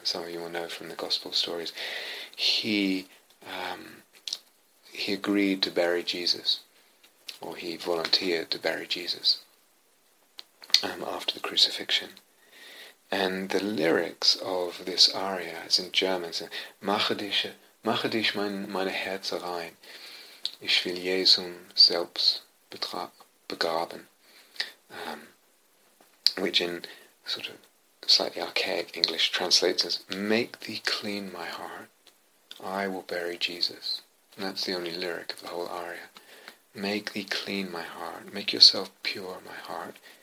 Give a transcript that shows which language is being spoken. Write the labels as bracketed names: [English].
[English] Some of you will know from the Gospel stories. He agreed to bury Jesus, or he volunteered to bury Jesus after the crucifixion. And the lyrics of this aria is in German. [German] So, mache dich meine Herze rein. Ich will Jesum selbst begraben. [English] Which in sort of slightly archaic English translates as, make thee clean my heart. I will bury Jesus. And that's the only lyric of the whole aria. Make thee clean my heart. Make yourself pure, my heart.